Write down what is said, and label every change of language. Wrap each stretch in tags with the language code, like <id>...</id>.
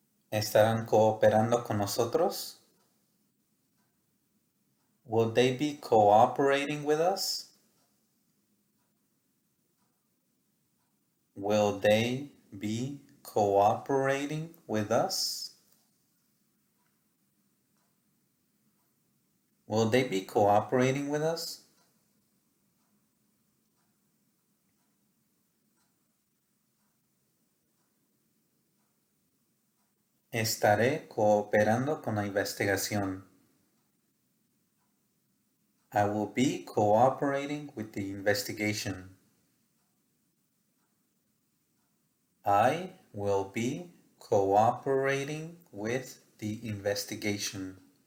<es>¿Estarán cooperando con nosotros?</es> <en>Will they be cooperating with us? Will they be cooperating with us? Will they be cooperating with us?</en> <es>Estaré cooperando con la investigación.</es> <en>I will be cooperating with the investigation. I will be cooperating with the investigation.</en>